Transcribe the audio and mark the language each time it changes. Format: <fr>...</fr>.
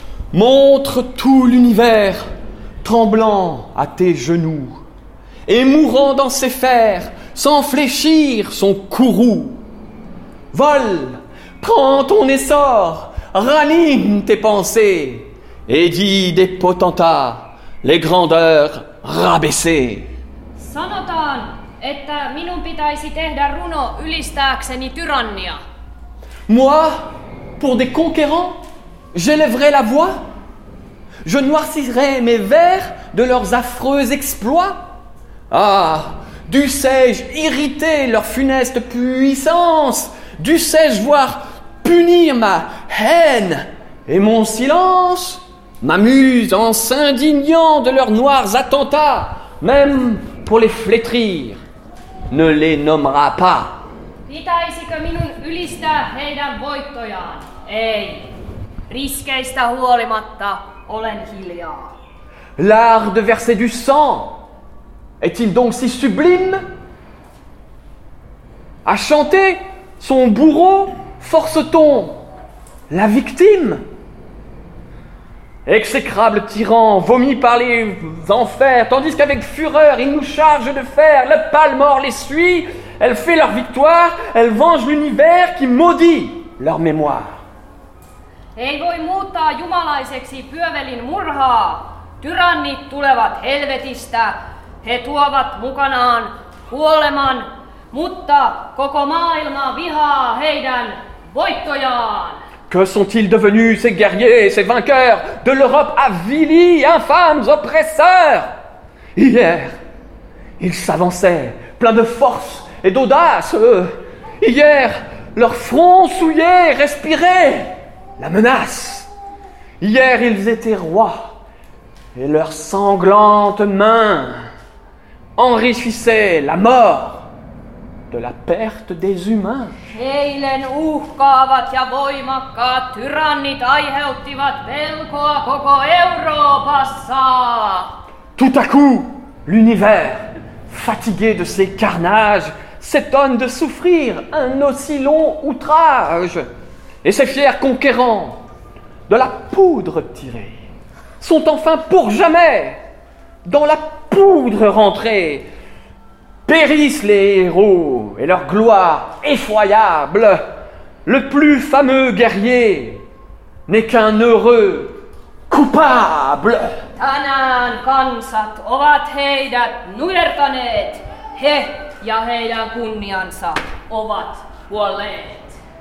<fr>Montre tout l'univers tremblant à tes genoux et mourant dans ses fers sans fléchir son courroux. Vole, prends ton essor, ranime tes pensées et dis des potentats les grandeurs rabaissées.</fr> <fi>Sanotaan, että minun pitäisi tehdä runo ylistääkseni tyrannia.</fi> <fr>Moi, pour des conquérants, j'élèverai la voix. Je noircirai mes vers de leurs affreux exploits. Ah, dussé-je irriter leur funeste puissance? Dussé-je voir punir ma haine et mon silence? Ma muse en s'indignant de leurs noirs attentats, même pour les flétrir, ne les nommera pas.</fr> <fi>Pitäisikö minun ylistää heidän voittojaan? Ei. Riskeistä huolimatta olen hiljaa.</fi> <fr>L'art de verser du sang est-il donc si sublime? À chanter son bourreau force-t-on la victime? Exécrable tyran vomi par les enfers, tandis qu'avec fureur il nous charge de faire le palmore les suit, elle fait leur victoire, elle venge l'univers qui maudit leur mémoire.</fr> <fi>Ei voi muuttaa jumalaiseksi pyövelin murhaa. Tyrannit tulevat helvetistä. He tuovat mukanaan kuoleman, mutta koko maailma vihaa heidän voittojaan.</fi> <fr>Que sont-ils devenus ces guerriers, ces vainqueurs de l'Europe avilie, infâmes oppresseurs? Hier, ils s'avançaient pleins de force et d'audace. Hier, leur front souillé respirait la menace. Hier, ils étaient rois, et leurs sanglantes mains enrichissaient la mort de la perte des humains.</fr> <fi>Eilen uhkaavat ja voimakkaat tyrannit aiheuttivat pelkoa koko Euroopassa.</fi> <fr>Tout à coup, l'univers, fatigué de ces carnages, s'étonne de souffrir un aussi long outrage. Et ces fiers conquérants, de la poudre tirés, sont enfin pour jamais dans la poudre rentrés. Périssent les héros et leur gloire effroyable. Le plus fameux guerrier n'est qu'un heureux coupable.</fr> <fi>Tänään kansat ovat heidät nujertaneet. He ja heidän kunniansa ovat kuolleet.</fi>